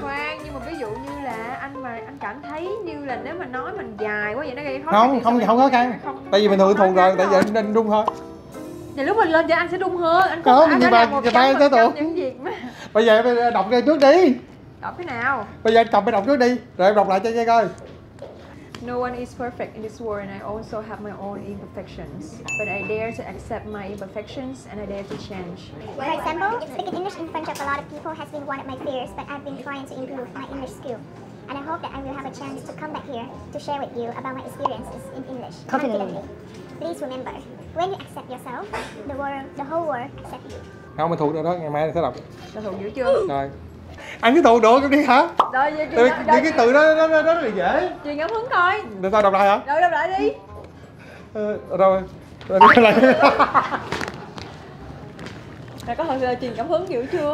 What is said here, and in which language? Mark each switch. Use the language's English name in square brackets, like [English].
[Vietnamese] Khoan, nhưng mà ví dụ như là anh cảm thấy như là nếu mà nói mình dài quá vậy nó gây khó khăn. Không khó khăn. Tại vì mình thường thuộc rồi, tại vì anh nên đun thôi. Thì lúc mình lên thì anh sẽ đung hơn. Anh có một trăm phần trăm những việc mà. Bây giờ em đọc ngay trước đi. Đọc cái nào? Bây giờ anh cầm em đọc trước đi. Rồi em đọc lại cho nghe coi. [English] No one is perfect in this world and I also have my own imperfections. But I dare to accept my imperfections and I dare to change. For example, speaking English in front of a lot of people has been one of my fears, but I've been trying to improve my English skill. And I hope that I will have a chance to come back here to share with you about my experiences in English. Confidently. Please remember, when you accept yourself, the whole world accepts you. [Vietnamese] Không, mình thuộc được đó, ngày mai mình sẽ đọc. Mình thuộc dữ chưa? Rồi. Anh cứ thuộc được đi hả? Rồi, những cái từ đó nó rất là dễ. Truyền cảm hứng coi. Để sao đọc lại hả? Rồi, đọc lại đi. Rồi. Là có thật sự là truyền cảm hứng dữ chưa?